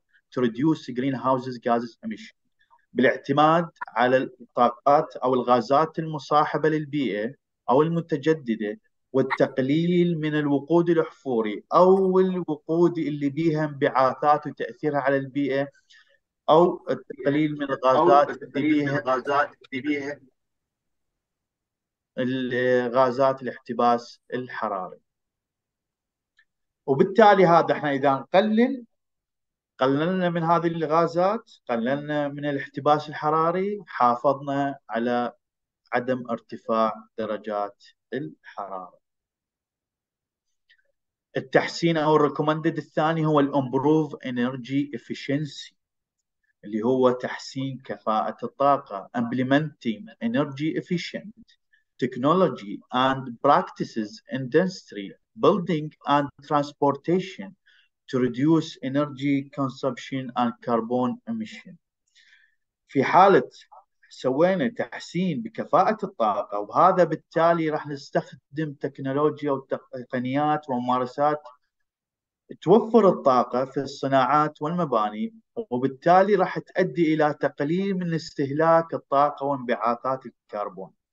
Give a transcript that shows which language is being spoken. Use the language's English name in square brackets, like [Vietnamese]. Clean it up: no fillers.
[English] to reduce greenhouse gases emission، [Arabic] بالاعتماد على الطاقات أو الغازات المصاحبة للبيئة أو المتجددة، والتقليل من الوقود الأحفوري أو الوقود اللي بيها انبعاثات وتأثيرها على البيئة، أو التقليل من الغازات اللي بيها الغازات الاحتباس الحراري. وبالتالي هذا احنا إذا قللنا من هذه الغازات، قللنا من الاحتباس الحراري، حافظنا على عدم ارتفاع درجات الحرارة. التحسين أو الريكومندد الثاني هو [English] الامبروف energy efficiency, [Arabic] اللي هو تحسين كفاءة الطاقة، [English] implementing energy efficient technology and practices industry, building and transportation to reduce energy consumption and carbon emission. [Arabic] في حالة سوينا تحسين بكفاءة الطاقة، وهذا بالتالي راح نستخدم تكنولوجيا وتقنيات وممارسات توفر الطاقة في الصناعات والمباني، وبالتالي راح تؤدي إلى تقليل من استهلاك الطاقة وانبعاثات الكربون.